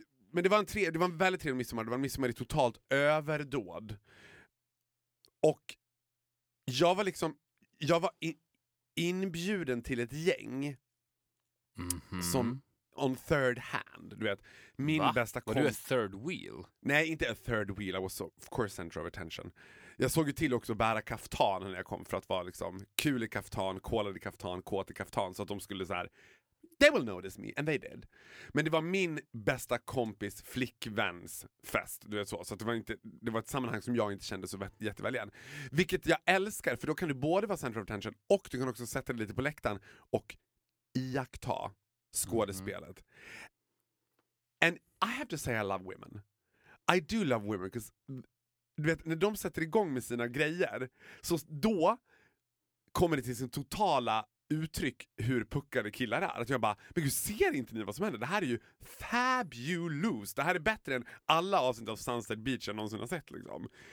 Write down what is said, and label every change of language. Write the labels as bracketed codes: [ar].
[sv] Men det var en väldigt trevlig midsommar. Det var en midsommar i totalt överdåd. Och jag var liksom... Jag var inbjuden till ett gäng som on third hand, du vet, min bästa kompis. [en] Var du a third wheel? Nej, inte a third wheel, I was of course center of attention. [sv] Jag såg ju till också bära kaftan när jag kom för att vara liksom kul i kaftan, kolad i kaftan, kåt i kaftan, så att de skulle så här, they will notice me, and they did. Men det var min bästa kompis flickväns fest, du vet, så att det var ett sammanhang som jag inte kände så jätteväl igen. Vilket jag älskar, för då kan du både vara center of attention och du kan också sätta dig lite på läktaren och iaktta skådespelet. [en] And I have to say I love women. [sv] I do love women, because du vet, när de sätter igång med sina grejer, så då kommer det till sin totala uttryck hur puckade killar är. Att jag bara, men gud, ser inte ni vad som händer? Det här är ju fabulous. Det här är bättre än alla avsnitt av Sunset Beach jag någonsin har sett, liksom.